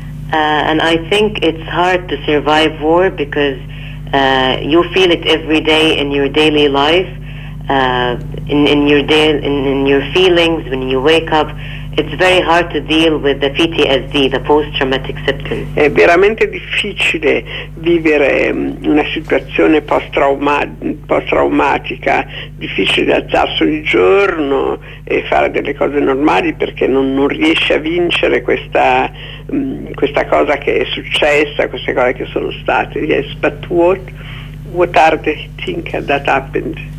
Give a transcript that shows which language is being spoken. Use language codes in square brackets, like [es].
[en] And I think it's hard to survive war because you feel it every day in your daily life, in your feelings when you wake up. It's very hard to deal with the PTSD, the post-traumatic symptoms. [it] È veramente difficile vivere una situazione post-traumatica, difficile alzarsi ogni giorno e fare delle cose normali perché non riesce a vincere questa cosa che è successa, queste cose che sono state. [en] Yes, but what are the things that happened?